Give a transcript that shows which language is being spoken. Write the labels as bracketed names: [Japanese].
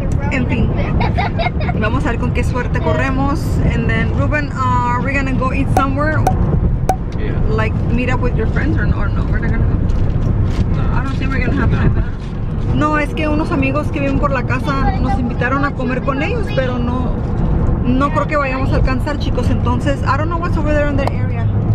[Spanish] En fin, vamos a ver con qué suerte corremos. [English] And then, Ruben, are we gonna go eat somewhere? Yeah. Like, meet up with your friends or no? I don't think we're gonna have time. [Spanish] No, es que unos amigos que viven por la casa nos invitaron a comer con ellos, pero no, no creo que vayamos a alcanzar, chicos. Entonces, [English] I don't know what's over there in the area.